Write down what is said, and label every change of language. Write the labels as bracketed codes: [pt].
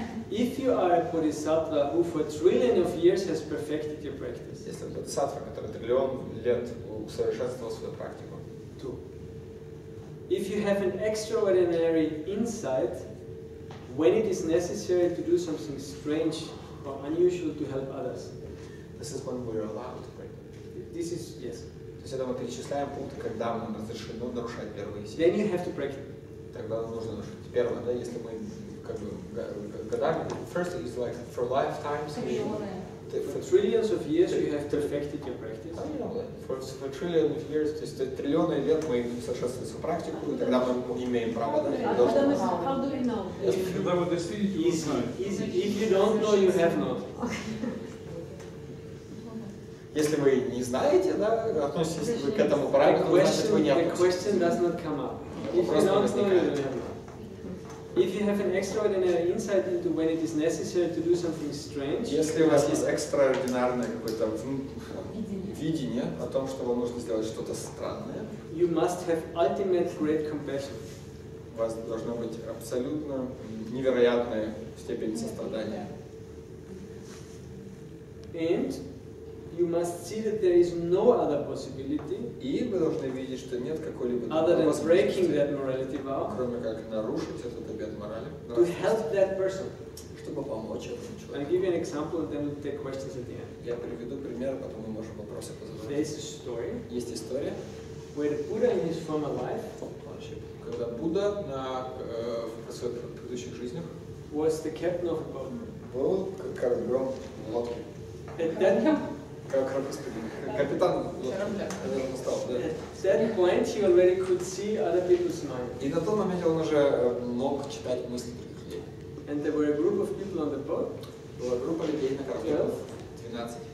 [en] If you are a bodhisattva who for trillion of years has perfected your practice. [ru] Если бодхисаттва, который триллион лет усовершенствовал свою практику. [en] Two. If you have an extraordinary insight when it is necessary to do something strange or unusual to help others. This is when we are allowed to break. This is yes. [ru] То есть это мы перечисляем пункты, когда мы разрешено нарушать первые семь. [en] Then you have to break it. [ru] Тогда нужно нарушить первое, да, если мы как бы годами. [en] First is like for lifetimes. For trillions of years you have perfected your practice. For trillions of years, [ru] то есть триллионы лет мы совершенствуем свою практику, и тогда мы имеем право, да, и должны. [en] How do we know? [ru] Когда вы достигнете знания. [en] If you don't know, you have not. [ru] Если вы не знаете, да, относитесь вы к этому правилу, значит вы не относитесь. [en] The question does not come up. If you don't know, you have not. If you have an extraordinary insight into when it is necessary to do something strange. [ru] Если у вас есть экстраординарное какое-то видение о том, что вам нужно сделать что-то странное. [en] You must have ultimate great compassion. [ru] У вас должно быть абсолютно невероятная степень сострадания. [en] And you must see that there is no other possibility. [ru] И вы должны видеть, что нет какой-либо [en] other than breaking that morality vow. [ru] Кроме как нарушить этот обет морали. [en] To help that person. [ru] Чтобы помочь этому человеку. [en] I'll give you an example, and then we'll take questions at the end. [ru] Я приведу пример, потом мы можем вопросы позадавать. [en] There is a story. [ru] Есть история. [en] Where the Buddha in his former life. [ru] Когда Будда на своих предыдущих жизнях. [en] Was the captain of a boat. [ru] Был кораблем лодки. [en] At that time. [ru] Капитан лодки. [en] At that point he already could see other people's minds. [ru] И на тот момент он уже мог читать мысли других людей. [en] And there were a group of people on the boat. [ru] Была группа людей на корабле. 12.